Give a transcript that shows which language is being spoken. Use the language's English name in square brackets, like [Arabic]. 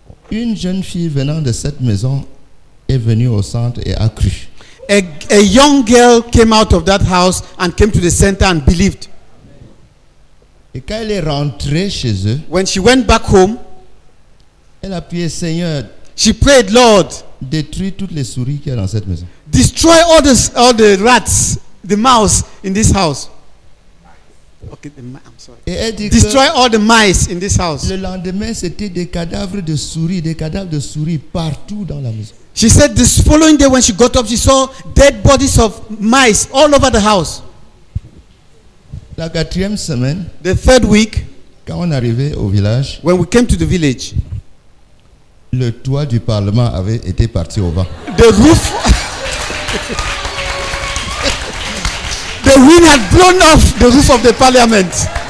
[French] une jeune fille venant de cette maison est venue au centre et a cru. [English] A young girl came out of that house and came to the center and believed. [French] Et quand elle est rentrée chez eux, [English] when she went back home, [French] elle a prié Seigneur. [English] She prayed, Lord, [French] détruis toutes les souris qu'il y a dans cette maison. [English] Destroy all the rats, the mouse in this house. [French] Et elle dit [English] destroy all the mice in this house. [French] Le lendemain, c'était des cadavres de souris, partout dans la maison. [English] She said this following day when she got up, she saw dead bodies of mice all over the house. [French] La quatrième semaine, [English] the third week, [French] quand on arrivait au village, [English] when we came to the village, [French] le toit du Parlement avait été parti au vent. [English] The roof. The wind had blown off the roof of the Parliament.